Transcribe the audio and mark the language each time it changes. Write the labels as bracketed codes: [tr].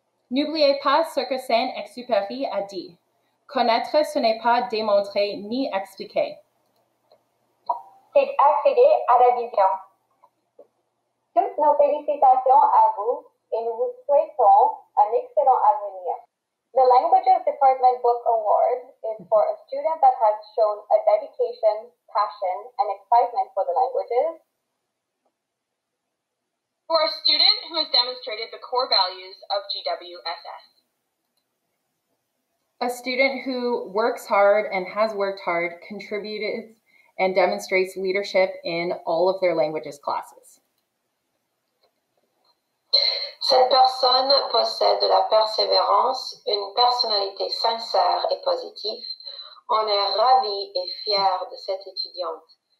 [fr] N'oubliez pas ce que Saint-Exupéry a dit. Connaître, ce n'est pas démontrer ni expliquer. C'est accéder à la vision. Toutes nos félicitations à vous et nous vous souhaitons un excellent avenir. [en] The Languages Department Book Award is for a student that has shown a dedication, passion, and excitement for the languages. For a student who has demonstrated the core values of GWSS. A student who works hard and has worked hard, contributed, and demonstrates leadership in all of their languages classes. [fr] Cette personne possède la persévérance, une personnalité sincère et positive. On est ravi et fier de cette étudiante.